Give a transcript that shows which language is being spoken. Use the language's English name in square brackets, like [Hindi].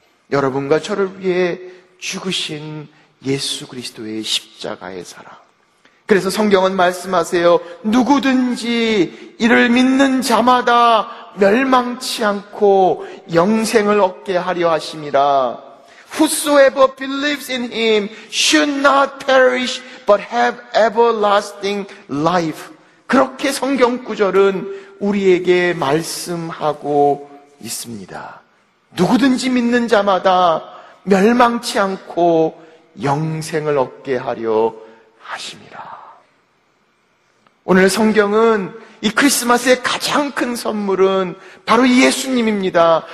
[Korean] 여러분과 저를 위해 죽으신 예수 그리스도의 십자가의 사랑. 그래서 성경은 말씀하세요. 누구든지 이를 믿는 자마다 멸망치 않고 영생을 얻게 하려 하심이라. [English] Whosoever believes in him should not perish but have everlasting life. [Korean] 그렇게 성경 구절은 우리에게 말씀하고 있습니다. 누구든지 믿는 자마다 멸망치 않고 영생을 얻게 하려 하심이라. 오늘 성경은 이 크리스마스의 가장 큰 선물은 바로 예수님입니다.